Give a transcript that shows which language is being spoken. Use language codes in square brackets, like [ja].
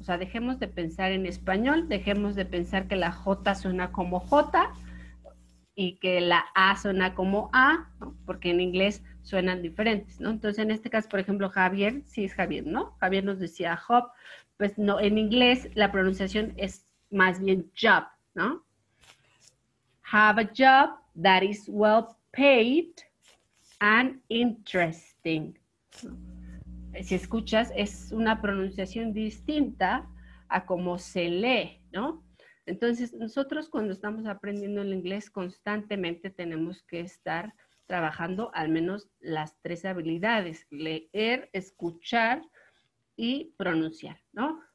[es] O sea, dejemos de pensar en español, dejemos de pensar que la J suena como J y que la A suena como A, ¿no? Porque en inglés suenan diferentes, ¿no? Entonces, en este caso, por ejemplo, Javier, sí es Javier, ¿no? Javier nos decía hop, pues no, en inglés la pronunciación es más bien job, ¿no? [en] Have a job that is well paid and interesting. [es] Si escuchas, es una pronunciación distinta a cómo se lee, ¿no? Entonces, nosotros cuando estamos aprendiendo el inglés constantemente tenemos que estar trabajando al menos las 3 habilidades, leer, escuchar y pronunciar, ¿no?